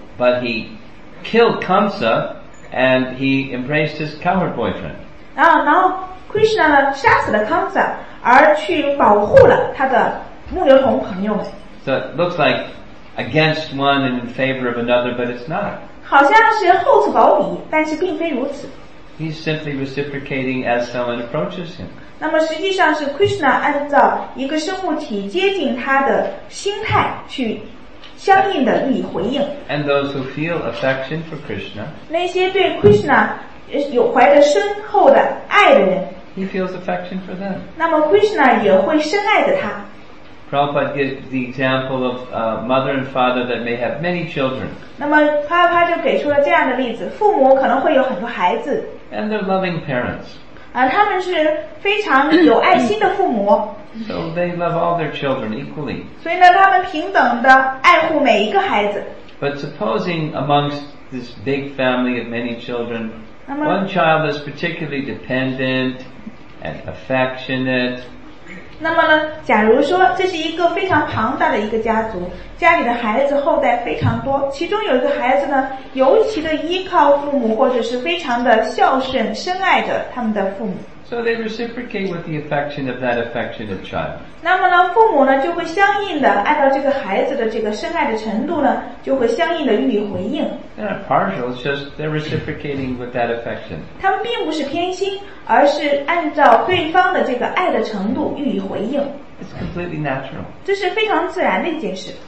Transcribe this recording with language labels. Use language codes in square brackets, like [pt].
[en] But he killed Kamsa, and he embraced his coward boyfriend. [zh] 然后 Krishna 呢，杀死了 Kamsa， 而去保护了他的牧牛童朋友。 [en] So it looks like. Against one and in favor of another, but it's not. [zh] 好像是厚此薄彼，但是并非如此。 [en] He's simply reciprocating as someone approaches him. [zh] 那么实际上是 Krishna 按照一个生物体接近他的心态去相应的予以回应。 [en] And those who feel affection for Krishna, [zh] 那些对 Krishna 有怀着深厚的爱的人， [en] He feels affection for them. [zh] 那么 Krishna 也会深爱着他。 [en] Prabhupada gives the example of a mother and father that may have many children. [zh] 那么帕帕就给出了这样的例子，父母可能会有很多孩子。 [en] And they're loving parents. [zh] 他们是非常有爱心的父母。 [en] So they love all their children equally. [zh] 所以呢，他们平等的爱护每一个孩子。 [en] But supposing amongst this big family of many children, one child is particularly dependent and affectionate. [zh] 那么呢，假如说这是一个非常庞大的一个家族，家里的孩子后代非常多，其中有一个孩子呢尤其的依靠父母，或者是非常的孝顺深爱着他们的父母。 [en] So they reciprocate with the affection of that affectionate child. [zh] 那么呢，父母呢就会相应的爱到这个孩子的这个深爱的程度呢，就会相应的予以回应。 [en] They're not partial, it's just they're reciprocating with that affection. [zh] 他们并不是偏心，而是按照对方的这个爱的程度予以回应。 [en] It's completely natural. [zh] 这是非常自然的一件事。